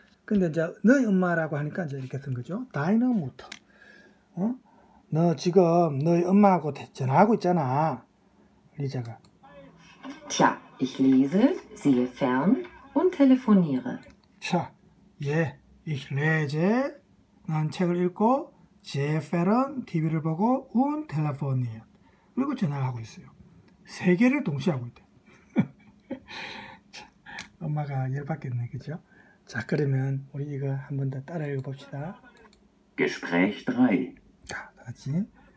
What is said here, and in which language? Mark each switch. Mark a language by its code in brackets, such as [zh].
[ko] 근데 이제 너의 엄마라고 하니까 이제 이렇게 쓴 거죠. 다이너 무트. 어? 너 지금 너의 엄마하고 전화하고 있잖아. 리자가. [de] Tja, ich lese, sehe fern und telefoniere. Tja, ich lese, [ko] 난 책을 읽고, [de] sehe fern, [ko] TV를 보고, [de] und telefoniere. [ko] 그리고 전화를 하고 있어요. 세 개를 동시에 하고 있대. 엄마가 열받겠네, 그죠? 자, 그러면 우리 이거 한 번 더 따라 읽어봅시다. [de] Gespräch 3. [ko] 자, 다 같이.